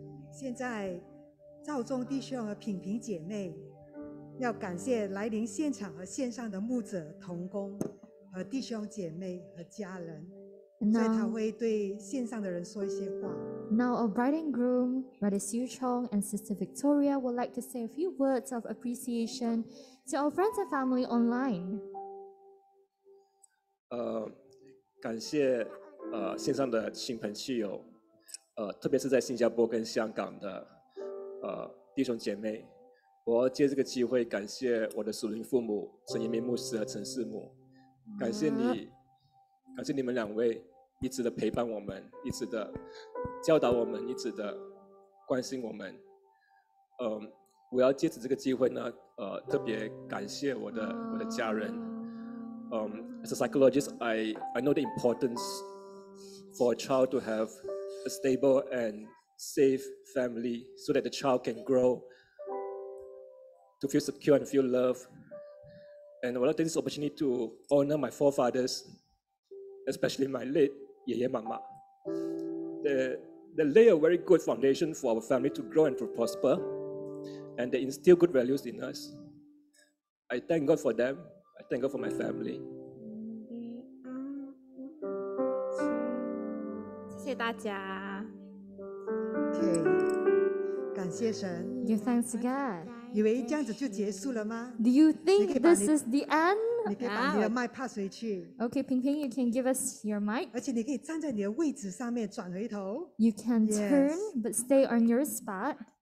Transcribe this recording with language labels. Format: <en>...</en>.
<zh>现在，赵中弟兄和品品姐妹要感谢来临现场和线上的牧者同工和弟兄姐妹和家人，所以他会对线上的人说一些话。</zh> <en>Now, our bride and groom, Brother Siu Chong and Sister Victoria, would like to say a few words of appreciation to our friends and family online.</en> <zh>感谢线上的亲朋戚友。特别是在新加坡跟香港的弟兄姐妹，我借这个机会感谢我的属灵父母陈延明牧师和陈世母，感谢你，感谢你们两位一直的陪伴我们，一直的教导我们，一直的关心我们。我要借着这个机会呢，特别感谢我的家人。</zh> <en>As a psychologist, I know the importance for a child to have. A stable and safe family so that the child can grow to feel secure and feel love. And I want to take this opportunity to honor my forefathers, especially my late</en> <zh>爷爷妈妈.</zh> <en>They lay a very good foundation for our family to grow and to prosper, and they instill good values in us. I thank God for them. I thank God for my family.</en> <zh>谢谢大家。 Okay, 感谢神。</zh> <en>Give thanks to God.</en> <zh>以为这样子就结束了吗</zh> <en>？Do you think this is the end?</en> <zh>你可以把你的麦 pass 回去。</zh> <en>Okay, Ping Ping, you can give us your mic.</en> <zh>而且你可以站在你的位置上面转回头。</zh> <en>You can turn, but stay on your spot.</en>